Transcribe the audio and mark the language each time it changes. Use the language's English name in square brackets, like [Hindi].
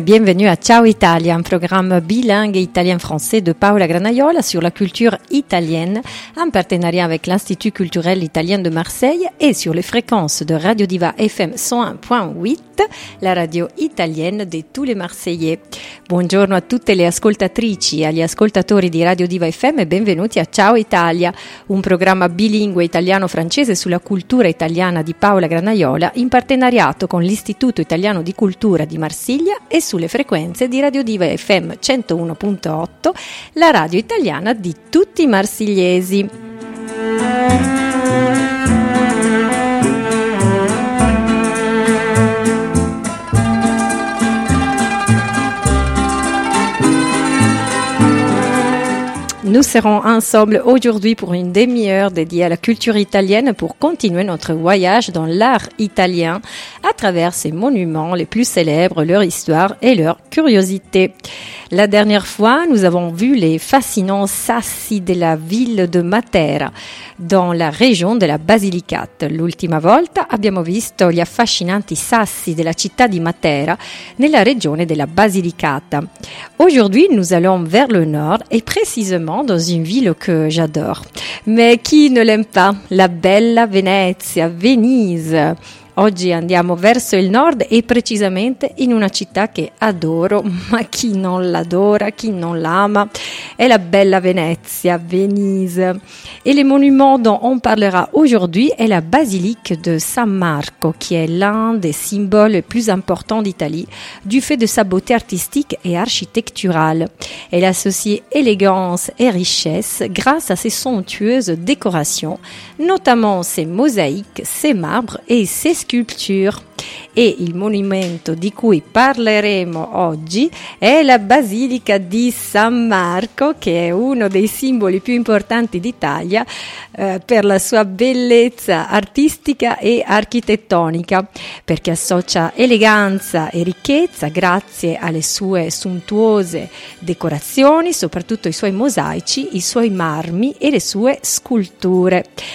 [French] Bienvenue à Ciao Italia, un programme bilingue italien-français de Paola Granaiola sur la culture italienne, en partenariat avec l'Institut culturel italien de Marseille et sur les fréquences de Radio Diva FM 101.8, la radio italienne de tous les Marseillais. [Italian] Buongiorno a tutte le ascoltatrici e agli ascoltatori di Radio Diva FM e benvenuti a Ciao Italia, un programma bilingue italiano-francese sulla cultura italiana di Paola Granaiola in partenariato con l'Istituto Italiano di Cultura di Marsiglia e sulle frequenze di Radio Diva FM 101.8, la radio italiana di tutti i marsigliesi. [French] Nous serons ensemble aujourd'hui pour une demi-heure dédiée à la culture italienne pour continuer notre voyage dans l'art italien à travers ses monuments les plus célèbres, leur histoire et leur curiosité. La dernière fois, nous avons vu les fascinants sassi de la ville de Matera dans la région de la Basilicate. [Italian] L'ultima volta, abbiamo visto gli affascinanti sassi della città di Matera nella regione della Basilicata. [French] Aujourd'hui, nous allons vers le nord et précisément dans une ville que j'adore. Mais qui ne l'aime pas? [Italian] La bella Venezia, [French] Venise. [Italian] Oggi andiamo verso il nord e precisamente in una città che adoro, ma chi non l'adora, chi non l'ama, è la bella Venezia, Venise. [French] E le monuments dont on parlera aujourd'hui è la basilique de San Marco, qui est l'un des symboles les plus importants d'Italie, du fait de sa beauté artistique et architecturale. Elle associe élégance et richesse grâce à ses somptueuses décorations, notamment ses mosaïques, ses marbres et ses sculpture. [Italian] E il monumento di cui parleremo oggi è la Basilica di San Marco, che è uno dei simboli più importanti d'Italia per la sua bellezza artistica e architettonica, perché associa eleganza e ricchezza grazie alle sue sontuose decorazioni, soprattutto i suoi mosaici, i suoi marmi e le sue sculture.